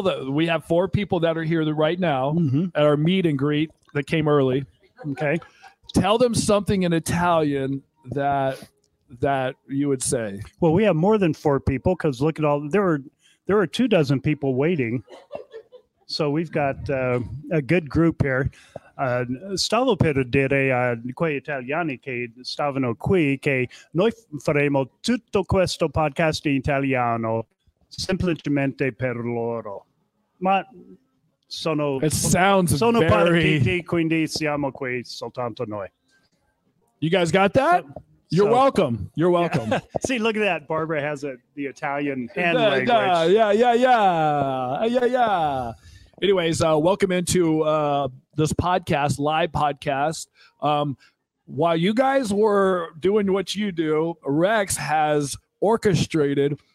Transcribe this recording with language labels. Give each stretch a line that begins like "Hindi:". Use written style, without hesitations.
English: We have four people that are here right now at our meet and greet that came early. Okay. Tell them something in Italian that you would say. Well, we have more than four people because look at all – there were two dozen people waiting. So we've got a good group here.
Italian: Stavo per dire a quei italiani che stavano qui che noi faremo tutto questo podcast in italiano semplicemente per loro. Ma sono...
English: It sounds
Italian: sono
English: very...
Italian: Partiti, quindi siamo qui soltanto noi.
English: You guys got that? You're welcome. You're welcome. Yeah. See, look at that. Barbara has the Italian hand language. Yeah. Anyways, welcome into this podcast, live podcast. While you guys were doing what you do, Rex has orchestrated.